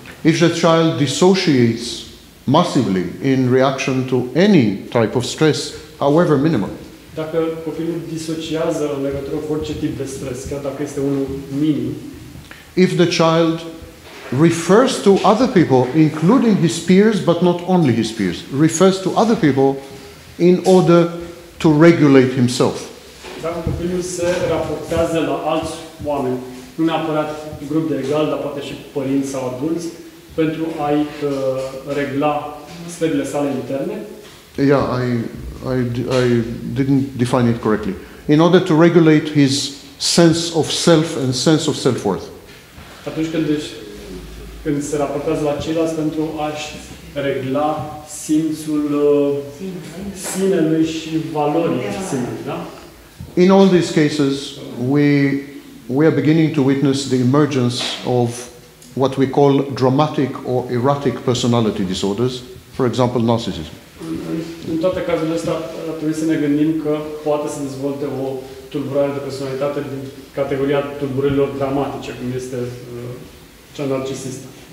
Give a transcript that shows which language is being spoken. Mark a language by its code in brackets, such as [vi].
[en] If the child dissociates massively in reaction to any type of stress, however minimal. [ro] Dacă copilul disociază în legătură cu orice tip de stres, chiar dacă este unul minim. [en] If the child refers to other people, including his peers, but not only his peers, refers to other people in order to regulate himself. [ro] dacă copilul se raportează la alți oameni, nu neapărat grup de egal, dar poate și părinți sau adulți, pentru a-i regla stările sale interne? [en] Yeah, I didn't define it correctly. In order to regulate his sense of self and sense of self-worth. [ro] Atunci când, când se raportează la ceilalți pentru a-și regla simțul sinelui și valorii sinelui, da? [en] In all these cases, we are beginning to witness the emergence of what we call dramatic or erratic personality disorders, for example, narcissism. [ro] În toate cazurile astea, trebuie să ne gândim că poate să dezvolte o tulburare de personalitate din categoria tulburărilor dramatice, cum este cea narcisistă.